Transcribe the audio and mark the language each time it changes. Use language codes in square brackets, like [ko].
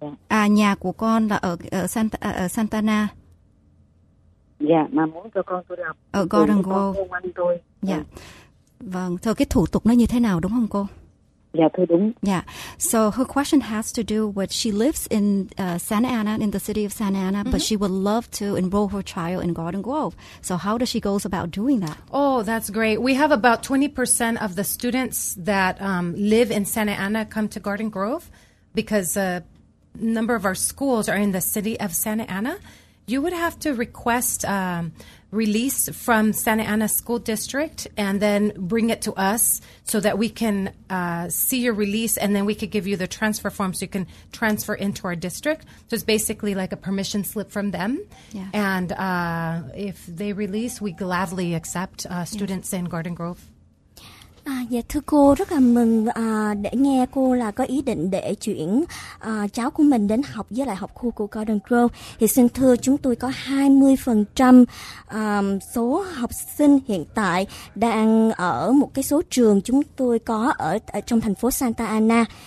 [vi] Nhà của con là ở Santa Ana. Dạ, mà muốn cho con tôi học ở Golden Grove. Dạ, vâng, thưa cái thủ tục nó như thế nào đúng không cô? [en] Yeah. So her question has to do with she lives in Santa Ana, in the city of Santa Ana, mm-hmm. but she would love to enroll her child in Garden Grove. So how does she go about doing that? Oh, that's great. We have about 20% of the students that live in Santa Ana come to Garden Grove because a number of our schools are in the city of Santa Ana. You would have to request release from Santa Ana School District and then bring it to us so that we can see your release, and then we could give you the transfer form so you can transfer into our district. So it's basically like a permission slip from them. Yes. And if they release, we gladly accept students yes. in Garden Grove. [vi] À, dạ thưa cô, rất là mừng để nghe cô là có ý định để chuyển cháu của mình đến học với lại học khu của Garden Grove. Thì xin thưa, chúng tôi có 20% số học sinh hiện tại đang ở một cái số trường chúng tôi có ở trong thành phố Santa Ana.